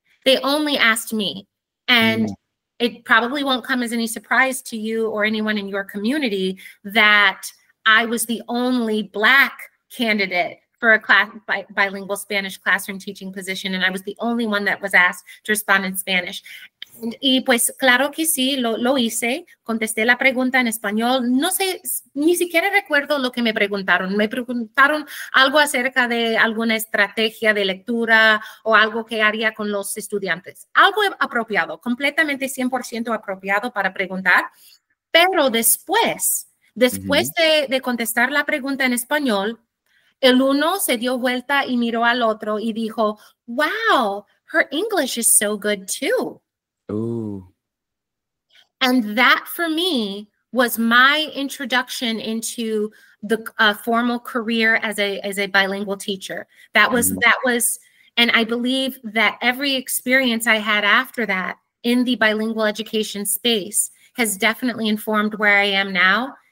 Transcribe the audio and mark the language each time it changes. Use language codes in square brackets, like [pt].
[en] They only asked me. And mm-hmm. it probably won't come as any surprise to you or anyone in your community that I was the only Black candidate for a class bilingual Spanish classroom teaching position. And I was the only one that was asked to respond in Spanish. And, [es] y pues claro que sí, lo hice. Contesté la pregunta en español. No sé, ni siquiera recuerdo lo que me preguntaron. Me preguntaron algo acerca de alguna estrategia de lectura o algo que haría con los estudiantes. Algo apropiado, completamente 100% apropiado para preguntar. Pero después mm-hmm. de contestar la pregunta en español, el uno se dio vuelta y miró al otro y dijo, [en] wow, her English is so good too. Ooh. And that for me was my introduction into the formal career as a bilingual teacher. And I believe that every experience I had after that in the bilingual education space has definitely informed where I am now